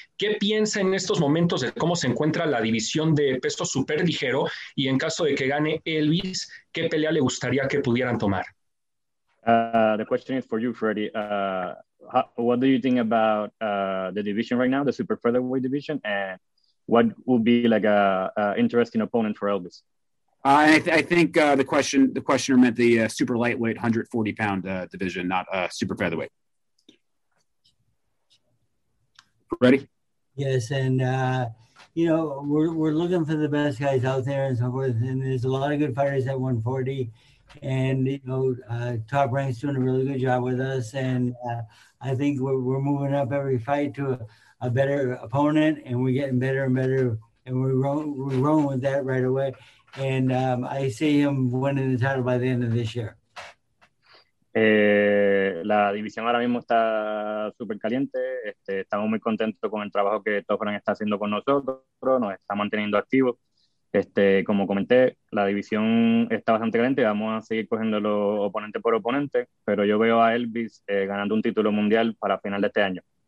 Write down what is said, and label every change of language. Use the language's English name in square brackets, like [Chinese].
[Spanish] ¿Qué piensa en estos momentos de cómo se encuentra la división de peso super ligero? Y en caso de que gane Elvis, ¿qué pelea le gustaría que pudieran tomar? [English] The question is for you, Freddie. What do you think about the division right now, the super featherweight division? And what would be like an interesting opponent for Elvis? I think the questioner meant the super lightweight 140-pound division, not super featherweight. Ready? Yes, and we're looking for the best guys out there and so forth. And there's a lot of good fighters at 140, and Top Rank's doing a really good job with us. And I think we're moving up every fight to a better opponent, and we're getting better and better. And we're rolling with that right away. And I see him winning the title by the end of this year. [Spanish] La división ahora mismo está súper caliente. Estamos muy contentos con el trabajo que Top Rank está haciendo con nosotros. Nos está manteniendo activos. Como comenté, la división está bastante caliente. Vamos a seguir cogiéndolo oponente por oponente. Pero yo veo a Elvis ganando un título mundial para final de este año.